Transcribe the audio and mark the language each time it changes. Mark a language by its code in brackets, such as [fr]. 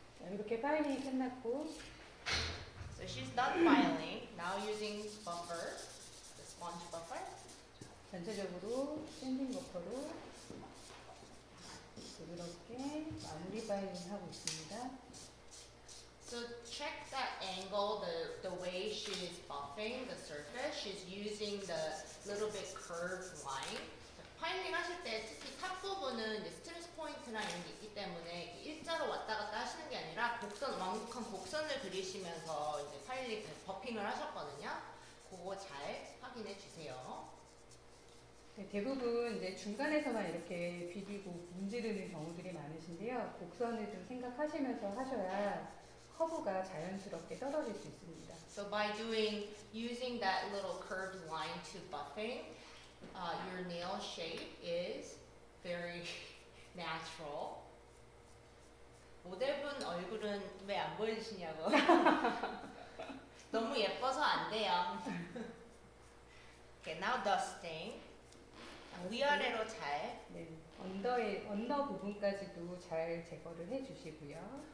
[ko] 이렇게 파일링 끝났고 [en] So she's done filing. Now using buffer, the sponge buffer. [ko] 전체적으로 샌딩 버퍼로 부드럽게 마무리 파일링 하고 있습니다. [en] So check that angle, the way she is buffing the surface. She's using the little bit curved line. [ko] 파일링 하실 때 특히 탑 부분은 이제 스트레스 포인트나 이런 게 있기 때문에 일자로 왔다 갔다 하시는 게 아니라 곡선, 완곡한 곡선을 그리시면서 이제 파일링, 버핑을 하셨거든요. 그거 잘 확인해 주세요. 네, 대부분 이제 중간에서만 이렇게 비비고 문지르는 경우들이 많으신데요. 곡선을 좀 생각하시면서 하셔야 커브가 자연스럽게 떨어질 수 있습니다. [en] So by doing, using that little curved line to buffing, your nail shape is very natural. [ko] 모델분 얼굴은 왜 안 보여주시냐고. 너무 예뻐서 안 돼요. [en] Okay, now dusting. [ko] 위아래로 잘. 네. 언더의 언더 부분까지도 잘 제거를 해주시고요.